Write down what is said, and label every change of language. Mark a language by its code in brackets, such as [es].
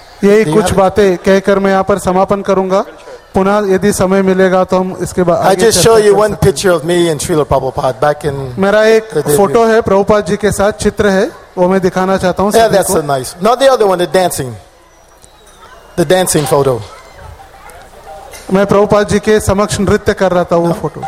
[hi] यही कुछ बातें कहकर मैं यहाँ पर समापन करूँगा. पुनः यदि समय मिलेगा तो हम इसके बाद [en] आगे. I just show you one picture of me and Srila Prabhupada back in. [hi] मेरा एक फोटो है प्रभुपाद जी के साथ चित्र है वो मैं दिखाना चाहता हूँ. [en] Yeah, that's a nice. Not the other one, the dancing photo. [hi] मैं प्रभुपाद जी के समक्ष नृत्य कर रहा था वो फोटो.